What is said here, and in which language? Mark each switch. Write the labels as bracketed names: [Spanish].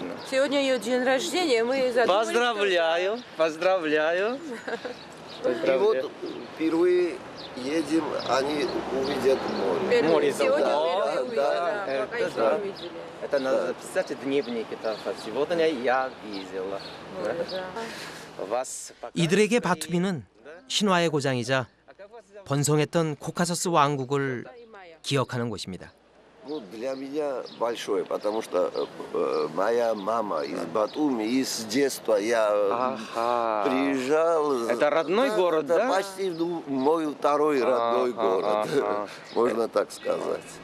[Russian] Сегодня ее день рождения, мы ее задумали. Поздравляю, поздравляю. И вот впервые едем, они увидят море. Море сегодня да, увидели, да, да, это, пока еще не видели. Это надо писать в дневнике. Сегодня я видела. Вас. [Korean] 이들에게 바투비는 신화의 고장이자 번성했던 코카서스 왕국을 기억하는 곳입니다. [Russian] Ну, для меня большое, потому что моя мама из Батуми, и с детства я приезжал. Это родной город, это да? Почти, ну, мой второй родной город, можно так сказать.